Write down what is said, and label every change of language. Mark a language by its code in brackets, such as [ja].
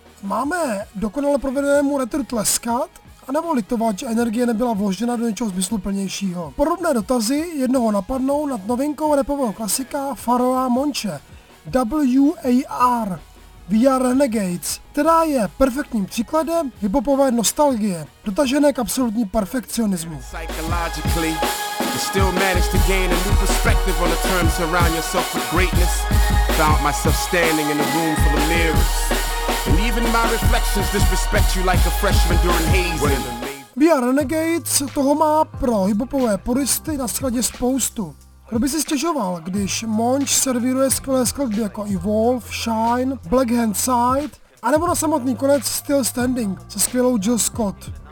[cs] Máme dokonale provedenému retru tleskat, anebo litovat, že energie nebyla vložena do něčeho smysluplnějšího. Podobné dotazy jednoho napadnou nad novinkou rapového klasika Pharoah Monche, W.A.R., We Are Renegades, která je perfektním příkladem hiphopové nostalgie, dotažené k absolutní perfekcionismu. [en] You still managed to gain a new perspective on the terms around yourself with greatness. Found myself standing in a room full of mirrors. And even my reflections disrespect you like a freshman during hazing. [cs] We Are Renegades toho má pro hiphopové puristy na skladě spoustu. Kdo by si stěžoval, když Monch servíruje skvělé skladby jako Evolve, Shine, Black Hand Side, anebo na samotný konec Still Standing se skvělou Jill Scott.